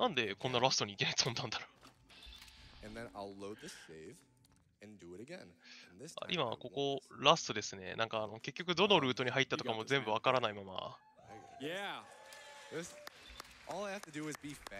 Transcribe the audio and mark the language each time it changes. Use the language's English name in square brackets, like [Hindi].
[Japanese] なんでこんなラストに行けないと思ったんだろう。 [English] And then I'll load this save and do it again. And this time, [Japanese] 今ここラストですね。なんか結局どのルートに入ったとかも全部わからないまま。 [English] Yeah. This, all I have to do is be fast.